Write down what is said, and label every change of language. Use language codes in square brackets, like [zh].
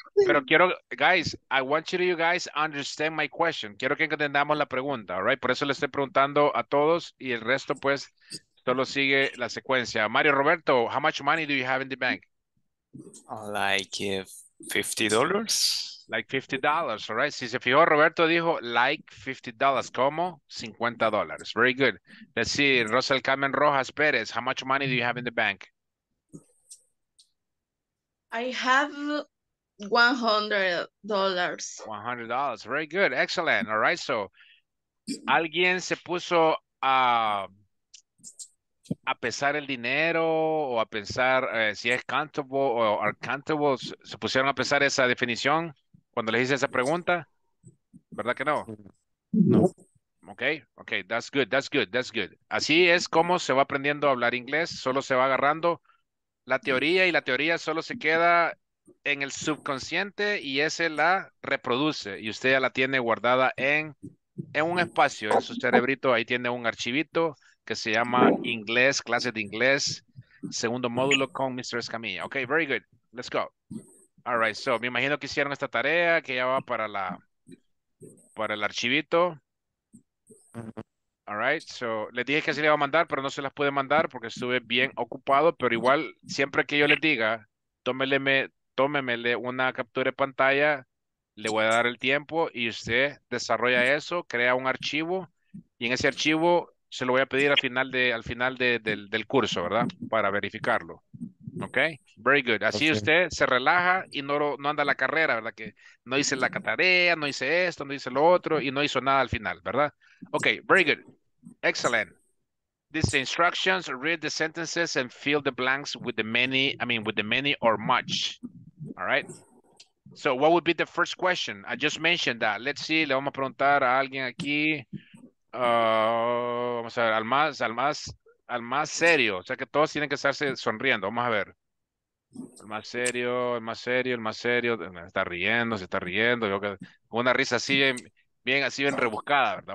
[es] Pero quiero, [en] guys, I want you to, you guys, understand my question. [es] Quiero que entendamos la pregunta, [en] all right? [es] Por eso le estoy preguntando a todos y el resto, pues, solo sigue la secuencia. [en] Mario Roberto, how much money do you have in the bank? Like $50. Like $50, all right? [es] Si se fijó, Roberto dijo, [en] like $50. [es] ¿Cómo? [en] $50. Very good. Let's see, Russell Carmen Rojas Perez, how much money do you have in the bank? I have $100. $100. Very good. Excellent. All right, so, [es] alguien se puso a pesar el dinero o a pensar si es comfortable o [en] are comfortable, [es] ¿se pusieron a pensar esa definición cuando les hice esa pregunta? ¿Verdad que no? No. [en] Okay, okay, that's good, that's good, that's good. [es] Así es como se va aprendiendo a hablar inglés, solo se va agarrando la teoría y la teoría solo se queda en el subconsciente y ese la reproduce y usted ya la tiene guardada en un espacio, en su cerebrito, ahí tiene un archivito que se llama Inglés, clases de inglés, segundo módulo con Mr. Escamilla. [en] Okay, very good, let's go. All right, so [es] me imagino que hicieron esta tarea que ya va para la para el archivito. All right, so les dije que se le iba a mandar, pero no se las pude mandar porque estuve bien ocupado, pero igual siempre que yo les diga, tómemele una captura de pantalla, le voy a dar el tiempo y usted desarrolla eso, crea un archivo y en ese archivo se lo voy a pedir al final del curso, ¿verdad? Para verificarlo. [en] Okay, very good. [es] Así okay. Usted se relaja y no anda a la carrera, ¿verdad? Que no hice la catarea, no hice esto, no hice lo otro y no hizo nada al final, ¿verdad? [en] Okay, very good. Excellent. These instructions, read the sentences and fill the blanks with the many or much. All right? So, what would be the first question? I just mentioned that. Let's see, [es] le vamos a preguntar a alguien aquí. Vamos a ver, al más serio, o sea que todos tienen que estarse sonriendo, vamos a ver. El más serio, se está riendo, yo que con una risa así bien rebuscada, ¿verdad?